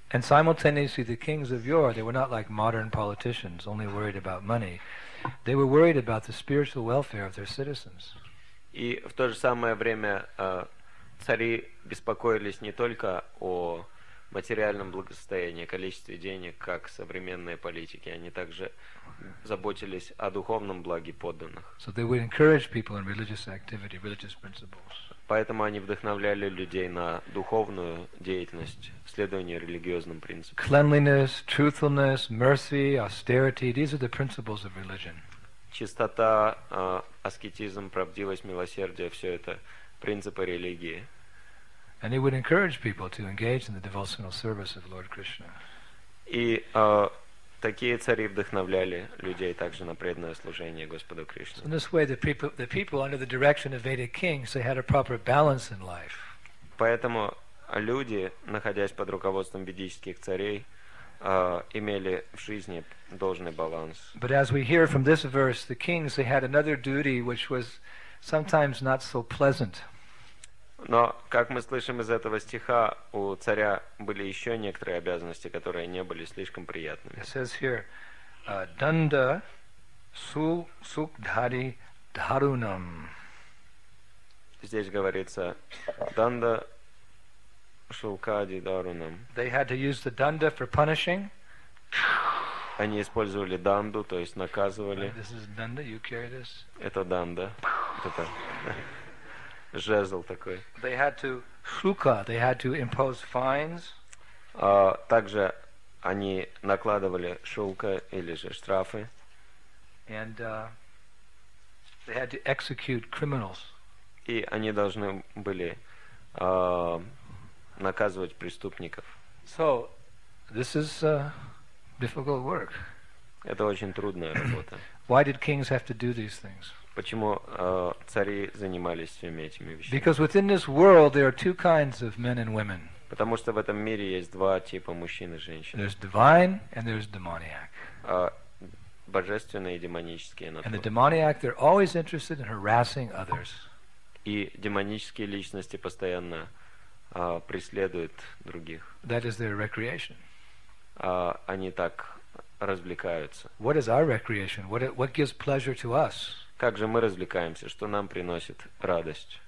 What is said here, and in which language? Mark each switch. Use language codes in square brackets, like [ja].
[en] And simultaneously the kings of yore, they were not like modern politicians, only worried about money. They were worried about the spiritual welfare of their citizens. [ru] И в то же самое время цари беспокоились не только о материальном благосостоянии, количестве денег, как современные политики. Они также заботились о духовном благе подданных. [en] So they would encourage people in religious activity, religious principles. [ru] Поэтому они вдохновляли людей на духовную деятельность, следование религиозным принципам. [en] Cleanliness, truthfulness, mercy, austerity, these are the principles of religion. [ru] Чистота, аскетизм, правдивость, милосердие – все это принципы религии. [en] And he would encourage people to engage in the devotional service of Lord Krishna. [ru] И такие цари вдохновляли людей также на преданное служение Господу Кришне. [en] So in this way, the people under the direction of Vedic kings, they had a proper balance in life. [ru] Поэтому люди, находясь под руководством ведических царей, имели в жизни должный баланс. [en] But as we hear from this verse, the kings, they had another duty which was sometimes not so pleasant. [ru] Но, как мы слышим из этого стиха, у царя были еще некоторые обязанности, которые не были слишком приятными. [en] It says here, danda su sukdhari dharunam. [ru] Здесь говорится, danda shulkadi dharunam. [en] They had to use the danda for punishing. [ru] Они использовали данду, то есть наказывали. [en] This is danda, you carry this. [ru] Это данда. Это жезл такой. [en] They had to shuka, they had to impose fines. [ru] Также они накладывали шулка или же штрафы. [en] And they had to execute criminals. [ru] И они должны были наказывать преступников. [en] So this is difficult work. [ru] Это очень трудная работа. [en] Why did kings have to do these things? [ru] Почему цари занимались всеми этими вещами? [en] Because within this world there are two kinds of men and women. [ru] Потому что в этом мире есть два типа мужчин и женщин. [en] There's divine and there's demoniac. [ru] Божественные и демонические натуры. [en] And the demoniac, they're always interested in harassing others. [ru] И демонические личности постоянно преследуют других. [en] That is their recreation. [ru] Они так развлекаются. [en] What is our recreation? What gives pleasure to us? [ru] Как же мы развлекаемся, что нам приносит радость?